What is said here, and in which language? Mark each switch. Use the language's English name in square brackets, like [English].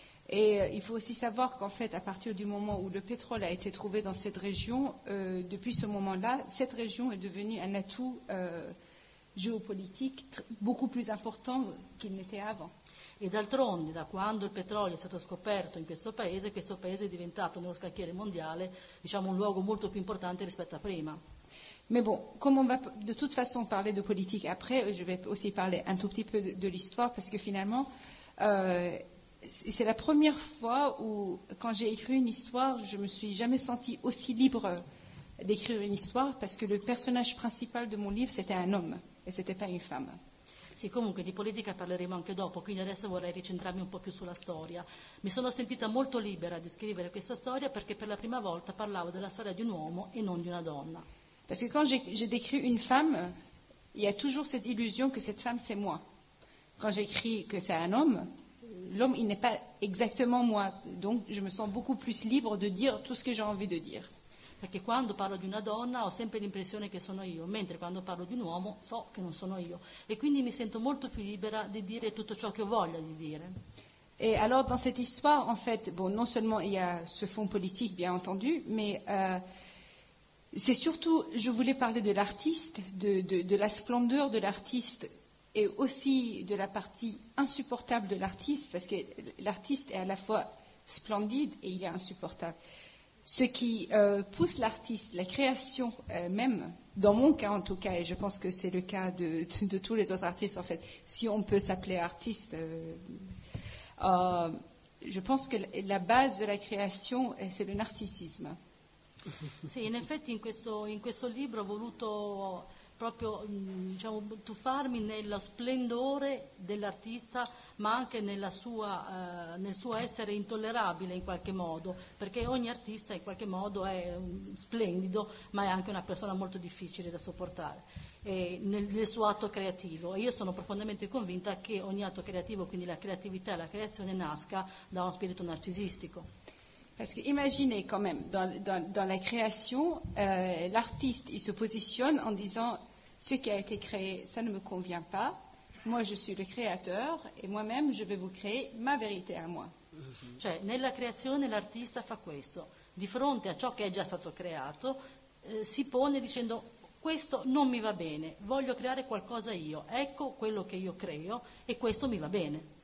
[French] Et il faut aussi savoir qu'en fait à partir du moment où le pétrole a été trouvé dans cette région, depuis ce moment-là, cette région est devenue un atout géopolitique beaucoup plus important qu'il n'était avant. [Italian] E d'altronde, da quando il petrolio è stato scoperto in questo paese è diventato nello scacchiere mondiale, diciamo, un luogo molto più importante rispetto a prima. [French] Mais bon, comme on va de toute façon parler de politique après, je vais aussi parler un tout petit peu de l'histoire, parce que finalement, c'est la première fois où, quand j'ai écrit une histoire, je me suis jamais sentie aussi libre d'écrire une histoire, parce que le personnage principal de mon livre, c'était un homme, et c'était pas une femme. [Italian] Sì, comunque di politica parleremo anche dopo, quindi adesso vorrei ricentrarmi un po' più sulla storia. Mi sono sentita molto libera di scrivere questa storia perché per la prima volta parlavo della storia di un uomo e non di una donna. Perché quando [French] j'ai décrit une femme, il y a toujours cette illusion que cette femme c'est moi. Quand j'écris que c'est un homme, l'homme il n'est pas exactement moi, donc je me sens beaucoup plus libre de dire tout ce que j'ai envie de dire. [Italian] perché quando parlo di una donna ho sempre l'impressione che sono io, mentre quando parlo di un uomo so che non sono io, e quindi mi sento molto più libera di dire tutto ciò che ho voglia di dire. [French] Et alors dans cette histoire, en fait, bon, non seulement il y a ce fond politique, bien entendu, mais c'est surtout, je voulais parler de l'artiste, de la splendeur de l'artiste, et aussi de la partie insupportable de l'artiste, parce que l'artiste est à la fois splendide et il est insupportable. Ce qui pousse l'artiste, la création même, dans mon cas en tout cas, et je pense que c'est le cas de tous les autres artistes, en fait, si on peut s'appeler artiste... Je pense que la base de la création c'est le narcissisme. [Italian] Sì, in effetti in questo libro ho voluto proprio diciamo tuffarmi nello splendore dell'artista, ma anche nella sua nel suo essere intollerabile in qualche modo, perché ogni artista in qualche modo è splendido, ma è anche una persona molto difficile da sopportare. E nel suo atto creativo, e io sono profondamente convinta che ogni atto creativo, quindi la creatività e la creazione, nasca da uno spirito narcisistico. [French] Parce que imaginez quand même dans la création l'artiste il se positionne en disant ce qui a été créé ça ne me convient pas, moi je suis le créateur et moi-même je vais vous créer ma vérité à moi. [Italian] Cioè nella creazione l'artista fa questo, di fronte a ciò che è già stato creato si pone dicendo: questo non mi va bene, voglio creare qualcosa io, ecco quello che io creo e questo mi va bene.